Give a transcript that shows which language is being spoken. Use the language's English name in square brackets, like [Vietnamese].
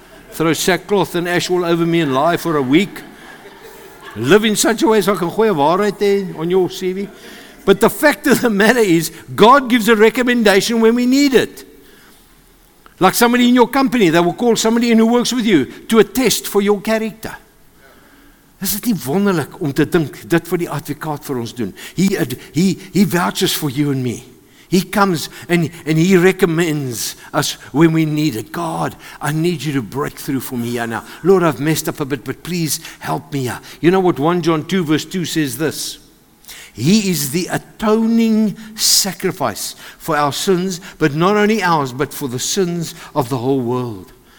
[English] throw sackcloth and ash all over me and lie for a week. Live in such a way so I can go right there on your CV. But the fact of the matter is, God gives a recommendation when we need it. Like somebody in your company, they will call somebody in who works with you to attest for your character. [Afrikaans] Is it nie wonderlik om te dink dit vir die advokaat vir ons doen? [English] He vouches for you and me. He comes and he recommends us when we need it. God, I need you to break through for me here now. Lord, I've messed up a bit, but please help me here. You know what 1 John 2 verse 2 says this. He is the atoning sacrifice for our sins, but not only ours, but for the sins of the whole world.